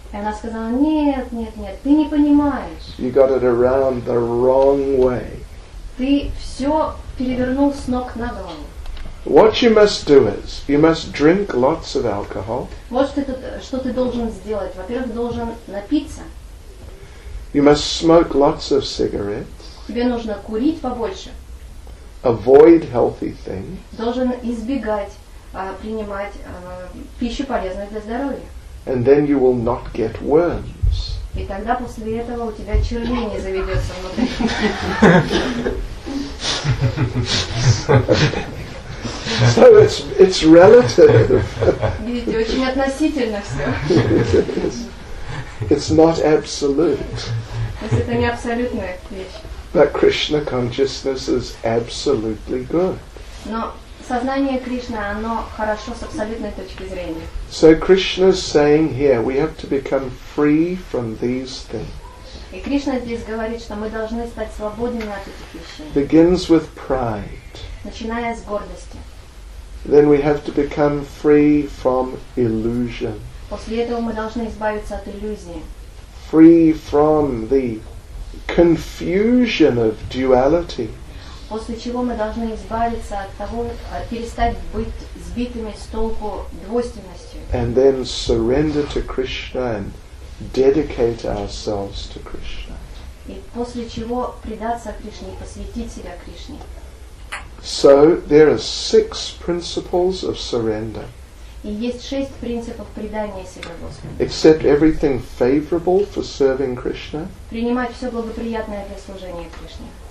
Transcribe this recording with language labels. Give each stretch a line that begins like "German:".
Russian: И она сказала, нет, ты не понимаешь.
English: You got it around the wrong way.
Russian: Ты все перевернул с ног на голову.
English: What you must do is, you must drink lots of alcohol.
Russian: Вот что ты должен сделать. Во-первых, должен напиться.
English: You must smoke lots of cigarettes.
Russian: Тебе нужно курить побольше.
English: Avoid healthy things.
Russian: Должен избегать принимать пищу, полезную для здоровья.
English: And then you will not get worms.
Russian: И тогда после этого у тебя червей не заведется внутри.
English: So it's relative.
Russian: Видите, очень относительно все.
English: It's not absolute.
Russian: То есть это не абсолютная вещь.
English: But Krishna consciousness is absolutely good.
Russian: Но сознание Кришны, оно хорошо с абсолютной точки зрения.
English: So Krishna is saying here, we have to become free from these things.
Russian: И Кришна здесь говорит, что мы должны стать свободными от этих вещей.
English: Begins with pride.
Russian: Начиная с гордости.
English: Then we have to become free from illusion.
Russian: После этого мы должны избавиться от иллюзии.
English: Free from the confusion of duality.
Russian: После чего мы должны избавиться от того, перестать быть сбитыми с толку двойственностью.
English: And then surrender to Krishna and dedicate ourselves to Krishna.
Russian: И после чего предаться Кришне и посвятить себя Кришне.
English: So there are six principles of surrender.
Russian: И есть шесть принципов предания себя Господу.
English: Accept everything favorable for serving Krishna.
Russian: Принимать все благоприятное для служения Кришне.